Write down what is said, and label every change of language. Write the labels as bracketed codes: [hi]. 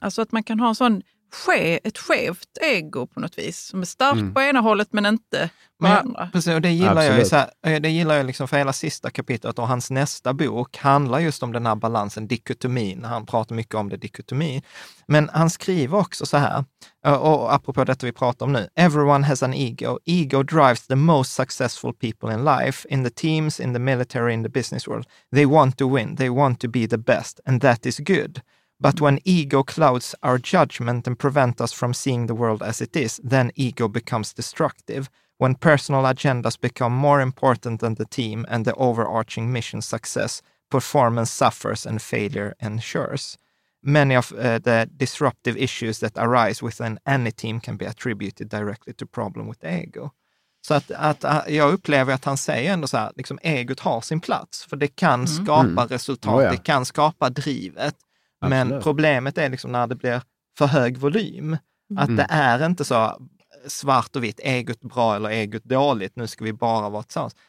[sv] Alltså att man kan ha en sån ett skevt ego på något vis, som är stark på ena hållet men inte på andra. Precis, och det gillar jag liksom för hela sista kapitlet, och hans nästa bok handlar just om den här balansen, dikotomin. Han pratar mycket om det, dikotomi. Men han skriver också så här, och apropå detta vi pratar om nu, [en] everyone has an ego. Ego drives the most successful people in life, in the teams, in the military, in the business world. They want to win, they want to be the best, and that is good. But when ego clouds our judgment and prevent us from seeing the world as it is, then ego becomes destructive. When personal agendas become more important than the team and the overarching mission success, performance suffers and failure ensures. Many of the disruptive issues that arise within any team can be attributed directly to problem with ego. [sv] Så att jag upplever att han säger ändå så här, liksom egot har sin plats, för det kan skapa resultat, det kan skapa drivet. Men absolut. Problemet är liksom när det blir för hög volym. Att det är inte så svart och vitt, egot bra eller egot dåligt, nu ska vi bara vara tillsammans.